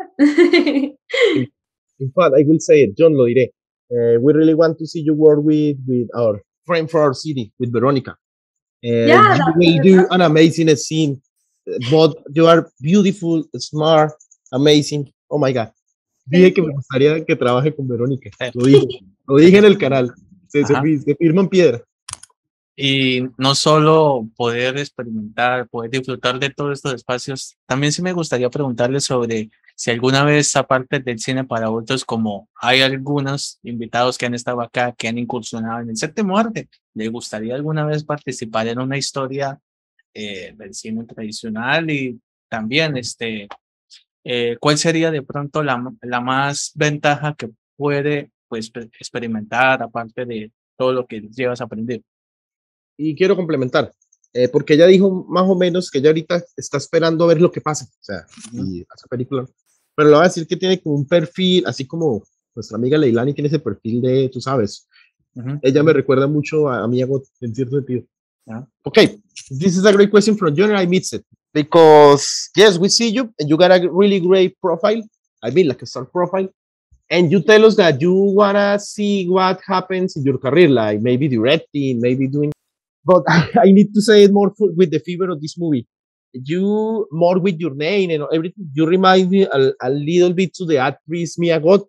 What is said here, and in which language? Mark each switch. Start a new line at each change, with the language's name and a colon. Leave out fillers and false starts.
English: In fact, I will say it, John,
Spanish: lo diré.
English: We really want to see you work with our friend for our city, with Veronica. You will do an amazing scene, but you are beautiful, smart, amazing. Oh my God.
Spanish: dije que me gustaría que trabaje con Verónica. Lo dije en el canal. Se firma en piedra. Y no solo poder experimentar, poder disfrutar de todos estos espacios, también sí me gustaría preguntarle sobre si alguna vez, aparte del cine para adultos, como hay algunos invitados que han estado acá, que han incursionado en el séptimo arte, ¿le gustaría alguna vez participar en una historia del cine tradicional? Y también, ¿cuál sería de pronto la más ventaja que puede pues, experimentar, aparte de todo lo que llevas a aprender? Y quiero complementar, porque ella dijo más o menos que ella ahorita está esperando a ver lo que pasa, o sea, y esa película, pero le voy a decir que tiene como un perfil, así como nuestra amiga Leilani tiene ese perfil de, tú sabes, uh-huh. Ella me recuerda mucho a mi ego, en cierto sentido. Uh-huh.
English: Okay, this is a great question from John, and I miss it, because, yes, we see you, and you got a really great profile, I mean, like a star profile, and you tell us that you wanna see what happens in your career, like maybe directing, maybe doing. But I need to say it more with the fever of this movie. You, more with your name and everything, you remind me a little bit to the actress Mia Goth.